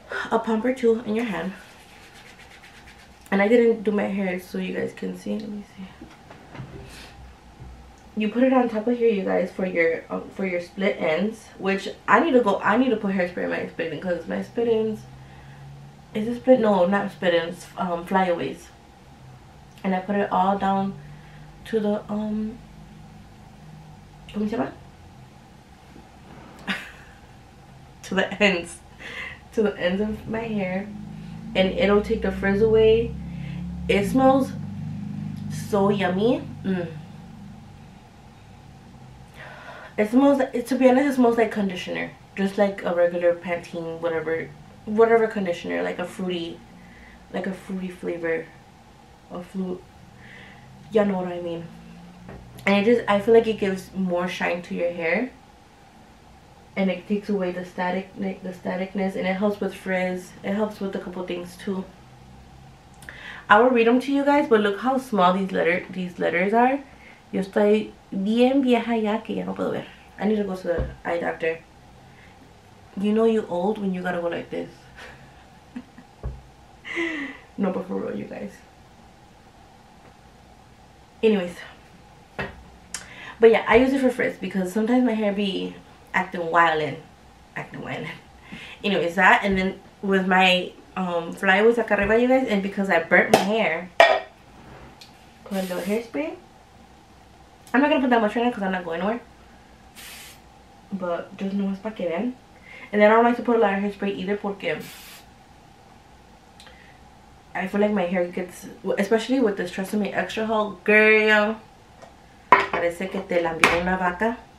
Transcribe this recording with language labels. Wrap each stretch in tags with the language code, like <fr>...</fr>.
<en>A pump or two in your hand. And I didn't do my hair so you guys can see. Let me see. You put it on top of here, you guys, for your split ends. Which I need to put hairspray in my split ends because my split ends. Is it split? No, not split ends. Flyaways. And I put it all down to the</en> <es>¿cómo se llama?</es> <en>To the ends of my hair, and it'll take the frizz away. It smells so yummy. To be honest, it smells like conditioner, just like a regular Pantene, whatever conditioner, like a fruity flavor. Y'all know what I mean. And I feel like it gives more shine to your hair. And it takes away the staticness, and it helps with frizz. It helps with a couple things too. I will read them to you guys, but look how small these letters are.</en> <es>Yo estoy bien vieja ya que ya no puedo ver.</es> <en>I need to go to the eye doctor. You know you old when you gotta go like this. No, but for real, you guys. Anyways. But yeah, I use it for frizz because sometimes my hair be acting wildin'. Anyways, that and then with my flyaways</en> <es>acá arriba,</es> <en>you guys, and because I burnt my hair with the hairspray. I'm not gonna put that much right now because I'm not going anywhere. But just</en> <es>nomás para que vean.</es> <en>And then I don't like to put a lot of hairspray either</en> <es>porque</es> <en>I feel like my hair gets, especially with this TRESemmé Extra Hold, girl.</en> <es>Parece que te la envió una vaca.</es>